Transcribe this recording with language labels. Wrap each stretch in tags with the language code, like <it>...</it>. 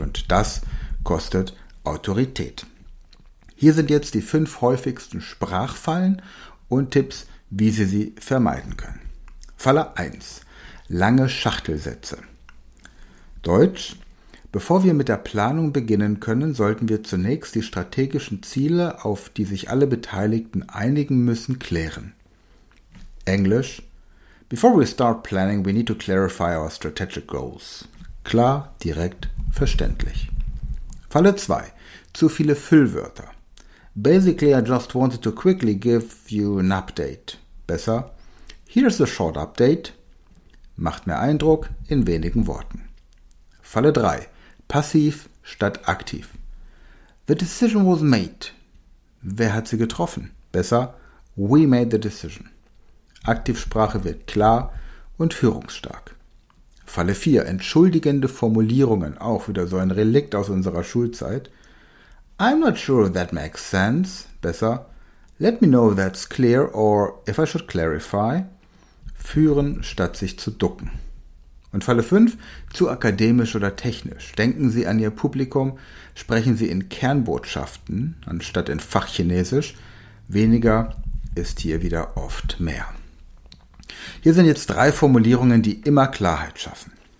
<de>Und das kostet Autorität. Hier sind jetzt die 5 häufigsten Sprachfallen und Tipps, wie Sie sie vermeiden können. Falle 1. Lange Schachtelsätze. Deutsch. Bevor wir mit der Planung beginnen können, sollten wir zunächst die strategischen Ziele, auf die sich alle Beteiligten einigen müssen, klären. Englisch.</de> <en>Before we start planning, we need to clarify our strategic goals.</en> <de>Klar, direkt, verständlich. Falle 2. Zu viele Füllwörter.</de> <en>Basically, I just wanted to quickly give you an update. Besser. Here's a short update.</en> <de>Macht mehr Eindruck in wenigen Worten. Falle 3. Passiv statt aktiv.</de> <en>The decision was made.</en> <de>Wer hat sie getroffen?</de> <en>Besser, we made the decision.</en> <de>Aktivsprache wird klar und führungsstark. Falle 4. Entschuldigende Formulierungen. Auch wieder so ein Relikt aus unserer Schulzeit.</de> <en>I'm not sure if that makes sense. Besser, let me know if that's clear or if I should clarify.</en> <de>Führen statt sich zu ducken. Und Falle 5, zu akademisch oder technisch. Denken Sie an Ihr Publikum, sprechen Sie in Kernbotschaften anstatt in Fachchinesisch. Weniger ist hier wieder oft mehr. Hier sind jetzt 3 Formulierungen, die immer Klarheit schaffen.</de>